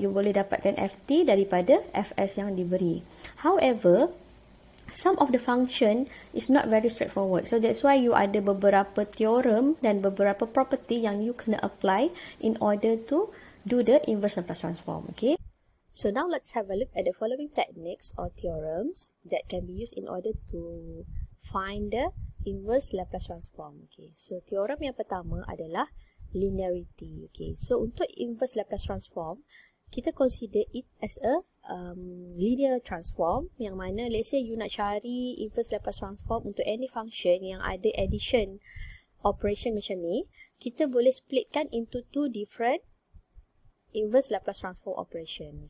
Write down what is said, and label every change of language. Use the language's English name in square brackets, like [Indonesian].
[Malay] You boleh dapatkan Ft daripada Fs yang diberi. [English] However, some of the function is not very straightforward. So that's why you [Malay] ada beberapa theorem dan beberapa property yang you kena [English] apply in order to do the inverse Laplace transform. Okay, so now let's have a look at the following techniques or theorems that can be used in order to find the inverse Laplace transform. Okay, so [Malay] theorem yang pertama adalah linearity. [English] Okay, so untuk inverse Laplace transform, [Malay] kita [English] consider it as a linear transform, [Malay] yang mana [English] let's say [Malay] you nak cari [English] inverse Laplace transform untuk any function [Malay] yang ada [English] addition operation [Malay] macam ni, kita boleh splitkan [English] into two different inverse Laplace transform operation.